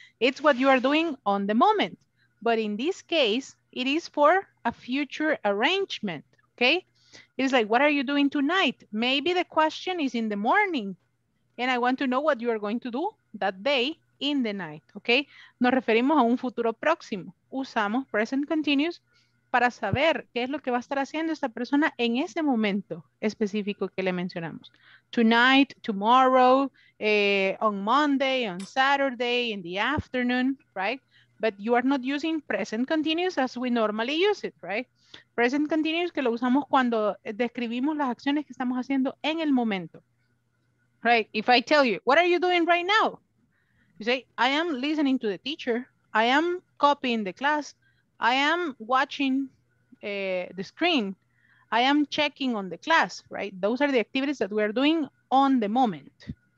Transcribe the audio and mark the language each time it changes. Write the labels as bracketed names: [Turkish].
[English] It's what you are doing on the moment. But in this case, it is for a future arrangement, okay? It's like, what are you doing tonight? Maybe the question is in the morning and I want to know what you are going to do that day in the night, okay? [Spanish] Nos referimos a un futuro próximo. Usamos present continuous para saber qué es lo que va a estar haciendo esta persona en ese momento específico que le mencionamos. [English] Tonight, tomorrow, on Monday, on Saturday, in the afternoon, right? But you are not using present continuous as we normally use it, right? [Spanish] Present continuous que lo usamos cuando describimos las acciones que estamos haciendo en el momento. [English] Right, if I tell you, what are you doing right now? You say, I am listening to the teacher. I am copying the class. I am watching the screen. I am checking on the class, right? Those are the activities that we are doing on the moment.